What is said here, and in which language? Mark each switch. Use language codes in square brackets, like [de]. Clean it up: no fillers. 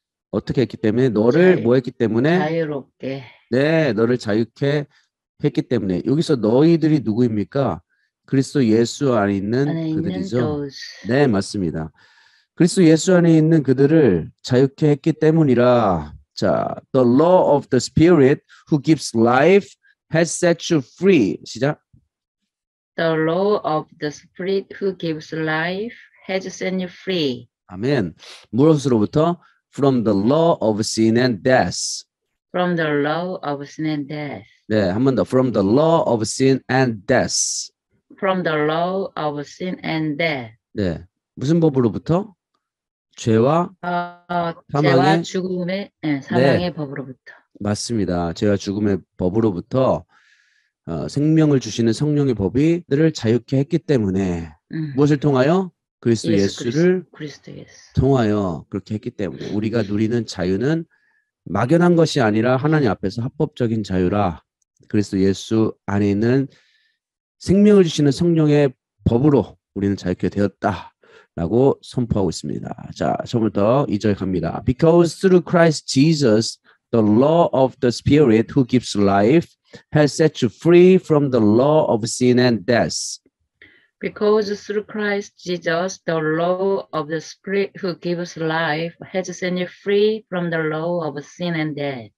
[ko] 어떻게 했기 때문에 너를 뭐 했기 때문에 자유롭게. 네 너를 자유케 했기 때문에 여기서 너희들이 누구입니까? 그리스도 예수 안에 있는 안에 있는 그들이죠. [en] those. [ko] 네 맞습니다. 그리스도 예수 안에 있는 그들을 자유케 했기 때문이라. [en] 자, the law of the spirit who gives life has set you free. [ko] 시작. [en] The law of the spirit who gives life has set you free. [ko] 아멘. 무엇으로부터? [en] From the law of sin and death. From the law of sin and death. [ko] 네, 한 번 더. [en] From the law of sin and death. From the law of sin and death. [ko] 네, 무슨 법으로부터? 죄와 사망의, 죄와 죽음의, 네, 사망의, 네, 법으로부터. 맞습니다. 죄와 죽음의 법으로부터 생명을 주시는 성령의 법이 너를 자유케 했기 때문에 무엇을 통하여? 그리스도 예수를 그리스도 예수. 통하여 그렇게 했기 때문에 우리가 누리는 자유는 막연한 것이 아니라 하나님 앞에서 합법적인 자유라. 그리스도 예수 안에 있는 생명을 주시는 성령의 법으로 우리는 자유케 되었다 라고 선포하고 있습니다. 자, 처음부터 2절 갑니다. [en] Because through Christ Jesus, the law of the Spirit who gives life has set you free from the law of sin and death. Because through Christ Jesus, the law of the Spirit who gives life has set you free from the law of sin and death.